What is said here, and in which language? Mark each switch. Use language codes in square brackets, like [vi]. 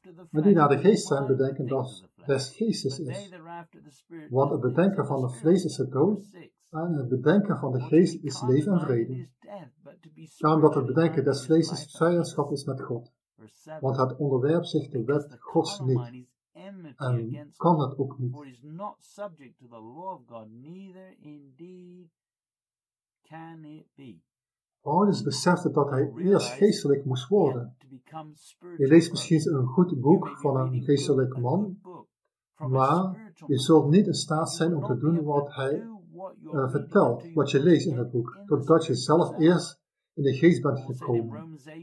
[nl] Maar die naar de geest zijn, bedenken dat des geestes is. Want het bedenken van het vlees is het dood, en het bedenken van de geest is leven en vrede. Daarom dat het bedenken des vlees vijandschap is met God. Want het onderwerpt zich de wet Gods niet. En kan het ook niet. [en] For is not subject to the law of God, neither indeed can it be. [nl] Paulus besefte dat hij eerst geestelijk moest worden. Je leest misschien een goed boek van een geestelijk man, maar je zult niet in staat zijn om te doen wat hij vertelt, wat je leest in het boek, totdat je zelf eerst in de geest bent gekomen.